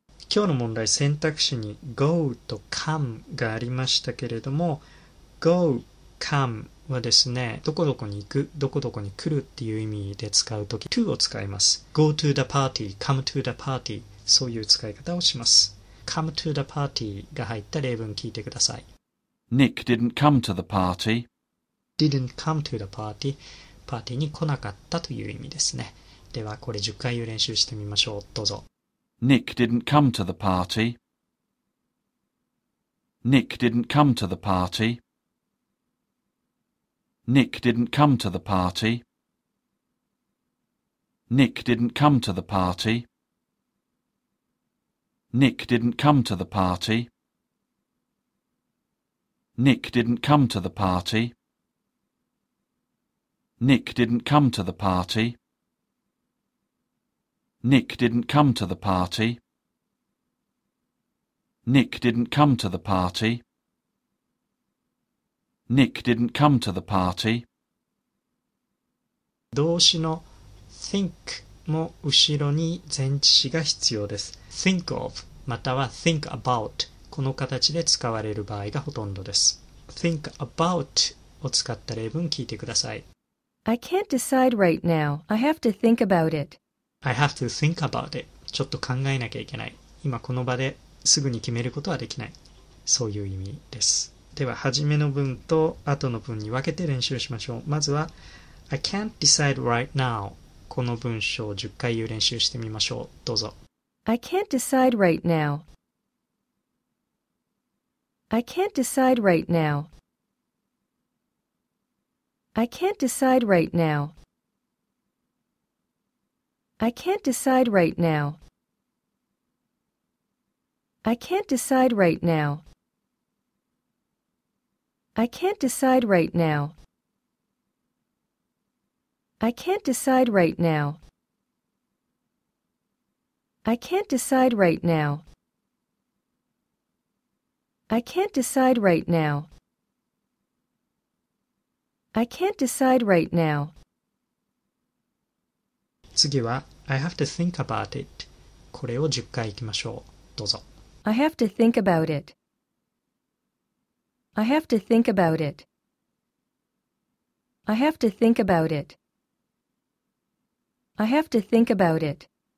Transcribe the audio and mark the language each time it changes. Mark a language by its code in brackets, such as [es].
[ja] 今日の問題、選択肢に go と come がありましたけれども、go、come はですね、どこどこに行く、どこどこに来るっていう意味で使うとき、to を使います。 [en] go to the party、come to the party、 [ja] そういう使い方をします。 [en] come to the party [ja] が入った例文聞いてください。 [en] Nick didn't come to the party. Didn't come to the party. [ja] パーティーに来なかったという意味ですね。ではこれ10回練習してみましょう。どうぞ。 [en] Nick didn't come to the party. Nick didn't come to the party. Nick didn't come to the party. Nick didn't come to the party. Nick didn't come to the party. Nick didn't come to the party. Nick didn't come to the party. Nick didn't come to the party. Nick didn't come to the party. Nick didn't come to the party. [ja] 動詞の think も後ろに前置詞が必要です。 [en] Think of または think about。 [ja] この形で使われる場合がほとんどです。 [en] Think about [ja] を使った例文聞いてください。 [en] I can't decide right now. I have to think about it. I have to think about it. [ja] ちょっと考えなきゃいけない。今この場ですぐに決めることはできない。そういう意味です。では、初めの文と後の文に分けて練習しましょう。 [en] まずは、I can't decide right now. [ja] この文章を10回言う練習してみましょう。どうぞ。 [en] I can't decide right now. I can't decide right now. I can't decide right now. I can't decide right now. I can't decide right now. I can't decide right now. I can't decide right now. I can't decide right now. I can't decide right now. I can't decide right now. 次は、I have to think about it. [ja] これを10回いきましょう。どうぞ。 [en] I have to think about it. I have to think about it. I have to think about it. I have to think about it.